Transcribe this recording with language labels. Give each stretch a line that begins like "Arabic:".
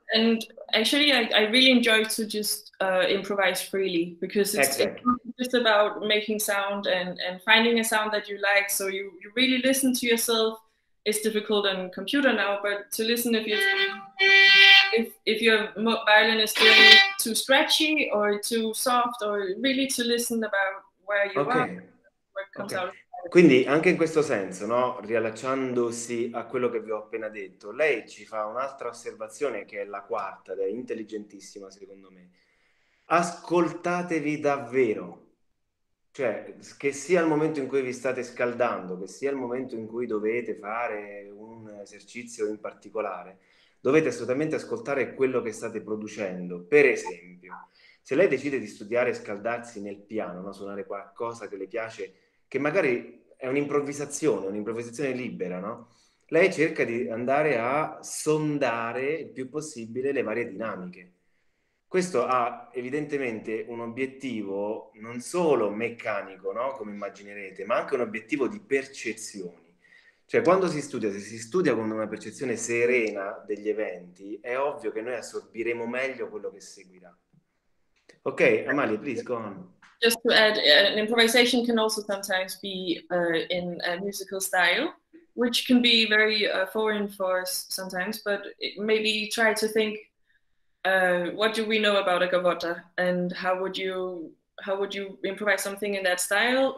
English: And actually I really enjoy to just improvise freely, because it's just about making sound and finding a sound that you like, so you really listen to yourself. It's difficult on computer now, but to listen if your violin is doing too stretchy or too soft, or really to listen about where you are, what comes out.
Italian: Quindi anche in questo senso, no? Riallacciandosi a quello che vi ho appena detto, lei ci fa un'altra osservazione che è la quarta, ed è intelligentissima secondo me. Ascoltatevi davvero. Cioè, che sia il momento in cui vi state scaldando, che sia il momento in cui dovete fare un esercizio in particolare, dovete assolutamente ascoltare quello che state producendo. Per esempio, se lei decide di studiare e scaldarsi nel piano, no? Suonare qualcosa che le piace, che magari è un'improvvisazione libera, no? Lei cerca di andare a sondare il più possibile le varie dinamiche. Questo ha evidentemente un obiettivo non solo meccanico, no? Come immaginerete, ma anche un obiettivo di percezioni. Cioè, quando si studia, se si studia con una percezione serena degli eventi, è ovvio che noi assorbiremo meglio quello che seguirà.
English: Ok, Amalia, please go on. Just to add, an improvisation can also sometimes be in a musical style, which can be very foreign for us sometimes, but maybe try to think, what do we know about a gavotta, and how would you improvise something in that style?